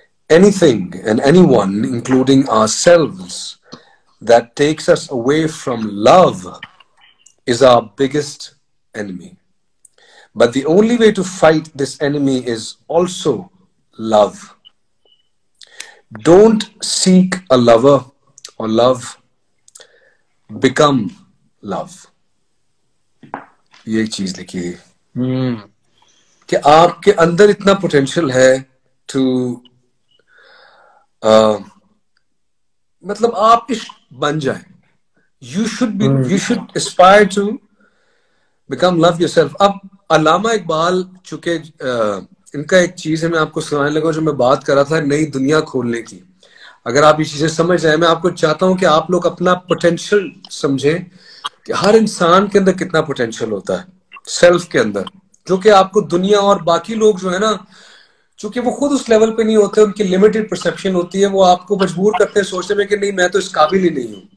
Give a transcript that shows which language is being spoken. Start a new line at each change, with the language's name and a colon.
English: Anything and anyone, including ourselves, that takes us away from love is our biggest enemy. But the only way to fight this enemy is also love. Don't seek a lover or love, become love.
Hindi: ये एक चीज लिखी है कि आपके अंदर इतना potential है to मतलब आप इश्क बन जाए.
English: You should aspire to become love yourself.
Hindi: अब अलामा इकबाल चुके इनका एक चीज है, मैं आपको सुनाने लगा जो मैं बात कर रहा था नई दुनिया खोलने की. अगर आप ये चीजें समझ जाए, मैं आपको चाहता हूं कि आप लोग अपना पोटेंशियल समझें कि हर इंसान के अंदर कितना पोटेंशियल होता है सेल्फ के अंदर, जो कि आपको दुनिया और बाकी लोग जो है ना, चूंकि वो खुद उस लेवल पे नहीं होते, उनकी लिमिटेड परसेप्शन होती है, वो आपको मजबूर करते हैं सोचने में कि नहीं मैं तो इस काबिल ही नहीं हूं.